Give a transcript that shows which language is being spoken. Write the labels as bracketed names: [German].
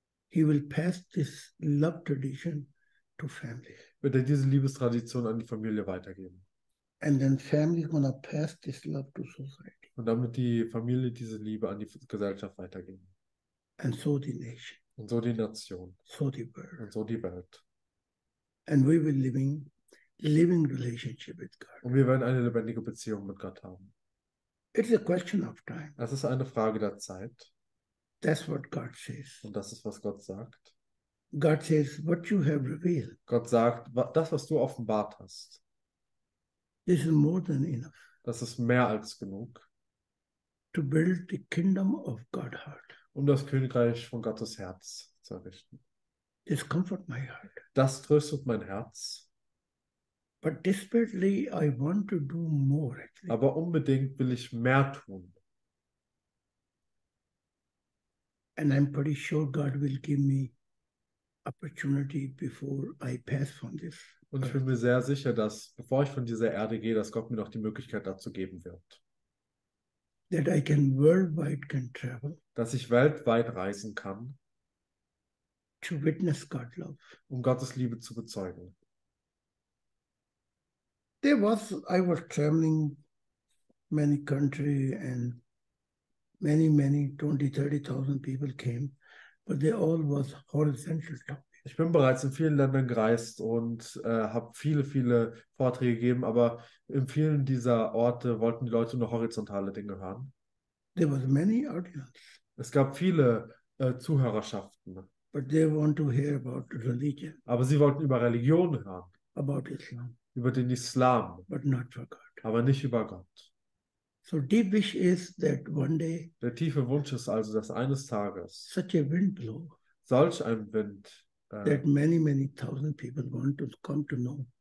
[English] he will pass this love tradition to family. [German] Wird er diese Liebestradition an die Familie weitergeben. [English] And then family gonna pass this love to society. [German] Und damit die Familie diese Liebe an die Gesellschaft weitergeben. [English] And so the nation. [German] Und so die Nation. [English] So the world. [German] Und so die Welt. [English] And we will living relationship with God. [German] Und wir werden eine lebendige Beziehung mit Gott haben. [English] It's a question of time. [German] Das ist eine Frage der Zeit. [English] That's what God says. [German] Und das ist, was Gott sagt. [English] God says, what you have revealed. [German] Gott sagt, das, was du offenbart hast. [English] This is more than enough. [German] Das ist mehr als genug. [English] To build the kingdom of God's heart. [German] Um das Königreich von Gottes Herz zu errichten. [English] This comfort my heart. [German] Das tröstet mein Herz. [English] But desperately I want to do more. [German] Aber unbedingt will ich mehr tun. [English] And I'm pretty sure God will give me opportunity before I pass from this. [German] Und ich bin mir sehr sicher, dass bevor ich von dieser Erde gehe, dass Gott mir noch die Möglichkeit dazu geben wird. [English] That I can worldwide can travel. [German] Dass ich weltweit reisen kann. [English] To witness God love. [German] Um Gottes Liebe zu bezeugen. [English] I was traveling many country and many 20,000-30,000 people came, but they all was horizontal topics. [German] Ich bin bereits in vielen Ländern gereist und habe viele Vorträge gegeben, aber in vielen dieser Orte wollten die Leute nur horizontale Dinge hören. [English] There was many audience. [German] Es gab viele Zuhörerschaften. [English] But they want to hear about religion. [German] Aber sie wollten über Religion hören. [English] About Islam. [German] Über den Islam. [English] But not for God. [German] Aber nicht über Gott. [English] So deep wish is that one day. [German] Der tiefe Wunsch ist also, dass eines Tages. [English] Such a wind blow. [German] Solch ein Wind. [English] That many thousand people want to come to know.